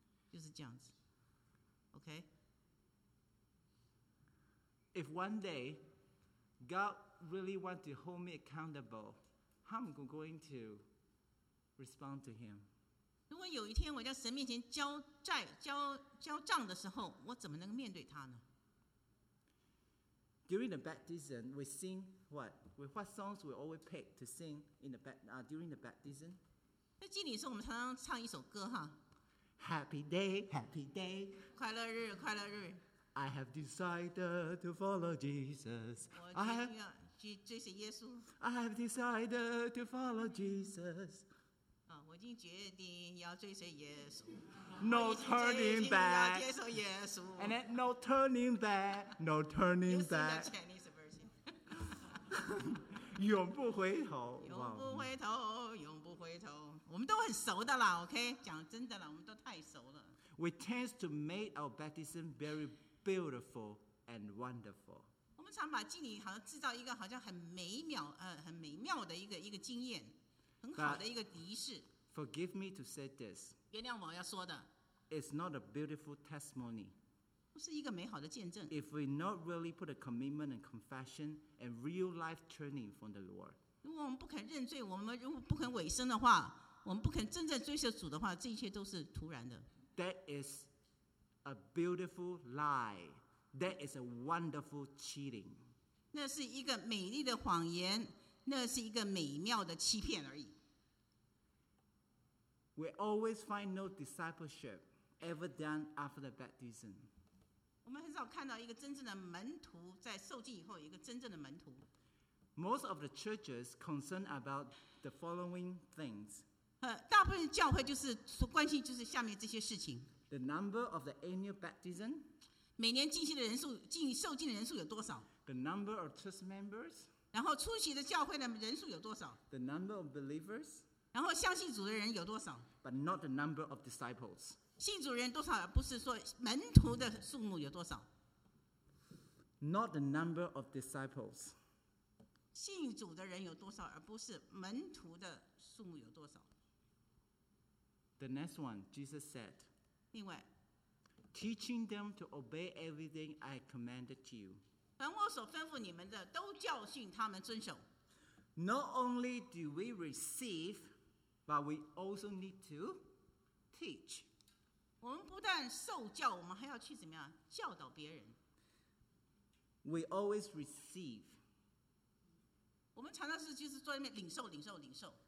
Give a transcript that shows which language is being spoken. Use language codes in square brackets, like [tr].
[zh] 我在神里面，我觉得我有很多的亏欠，因为我已经替很多人的受浸，但是到如今，我觉得我没有办法在神面前交账，因为我真正觉得真正的能够与耶稣，因为受浸与耶稣同生同死同生的所谓的门徒，我算起来就是这样子，就是这样子。OK. [en] If one day God really want to hold me accountable, how am I going to respond to him? [zh] 如果有一天我在神面前交债、交账的时候，我怎么能面对他呢？ [en] During the baptism, we sing what? With what songs we always pick to sing in the during the baptism? [zh] 那敬礼的时候，我们常常唱一首歌哈。 [en] Happy day, happy day. [zh] 快乐日，快乐日。 [en] I have decided to follow Jesus. [zh] 我决定要去追随耶稣。 [en] I have decided to follow Jesus. [zh] 我已经决定要追随耶稣。 [en] No turning back. [zh] 接受耶稣。 [en] And then no turning back. No turning back. Chinese version. [zh] 永不回头，永不回头，永不回头。我们都很熟的啦 ，OK？讲真的啦，我们都太熟了。 [en] We tend to make our baptism very beautiful and wonderful. [zh] 我们常把敬礼好像制造一个好像很美妙，很美妙的一个经验，很好的一个仪式。 [en] But、forgive me to say this. [zh] 原谅我要说的。 [en] It's not a beautiful testimony. [zh] 不是一个美好的见证。 [en] If we not really put a commitment and confession and real life turning from the Lord, [zh] 如果我们不肯认罪，我们如果不肯委身的话，我们不肯真正追随主的话，这一切都是徒然的。 [en] That is a beautiful lie. That is a wonderful cheating. [zh] 那是一个美丽的谎言，那是一个美妙的欺骗而已。 [en] We always find no discipleship ever done after the baptism. [zh] 我们很少看到一个真正的门徒在受浸以后，一个真正的门徒。 [en] Most of the churches concerned about the following things. [zh] 大部分教会就是关心就是下面这些事情。 [en] The number of the annual baptism. [zh] 每年进行的人数，进受浸的人数有多少 [en] ？The number of church members. [zh] 然后出席的教会的人数有多少 [en] ？The number of believers. [zh] 然后相信主的人有多少 [en] ？But not the number of disciples. [zh] 信主人多少？不是说门徒的数目有多少 [en] ？Not the number of disciples. [zh] 信主的人有多少？而不是门徒的数目有多少 [en] ？The next one, Jesus said. [zh] 另外 [en] ，teaching them to obey everything I commanded to you. [zh] 凡我所吩咐你们的，都教训他们遵守。 [en] Not only do we receive, but we also need to teach. [zh] 我们不但受教，我们还要去怎么样教导别人。 [en] We always receive. [zh] 我们常常是就是坐在那边领受领受领受。